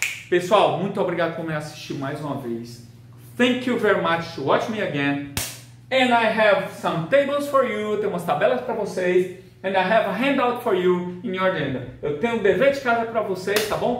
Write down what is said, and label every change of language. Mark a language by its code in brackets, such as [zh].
[pt] Pessoal, muito obrigado por me assistir mais uma vez. [en] Thank you very much to watch me again. And I have some tables for you. [pt] Tem umas tabelas para vocês. [en] And I have a handout for you in your agenda. [pt] Eu tenho um dever de casa para vocês, tá bom?